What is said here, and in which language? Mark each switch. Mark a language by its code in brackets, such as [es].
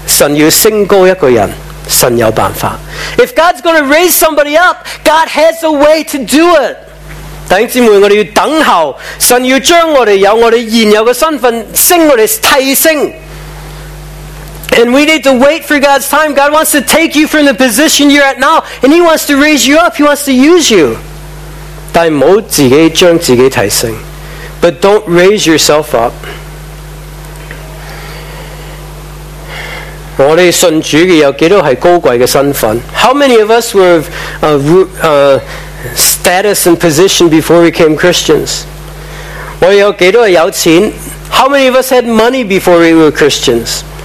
[zh] 神要升高一个人，神有办法。 [en] If God's going to raise somebody up, God has a way to do it. [zh] 弟兄姊妹，我们要等候，神要将我们有我们现有的身份升，我们提升。 [en] And we need to wait for God's time. God wants to take you from the position you're at now, and He wants to raise you up. He wants to use you. [zh] 但不要自己将自己提升。 [en] But don't raise yourself up. [zh] 我们信主的有多少是高贵的身份？ [en] How many of us were of status and position before we became Christians? [zh] 我们有多少是有钱？ [en] How many of us had money before we were Christians?